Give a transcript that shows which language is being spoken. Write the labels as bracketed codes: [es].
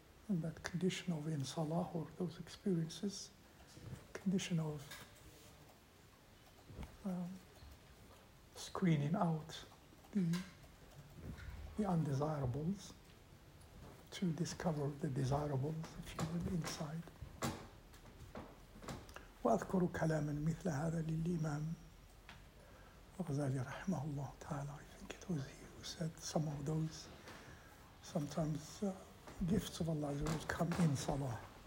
[en] And that condition of in salah or those experiences, condition of screening out the undesirables to discover the desirables, if you will, inside. [ar] وأذكر كلاما مثل هذا للإمام الغزالي رحمه الله تعالى. [en] I think it was he who said some of those, sometimes gifts of Allah will come in salah.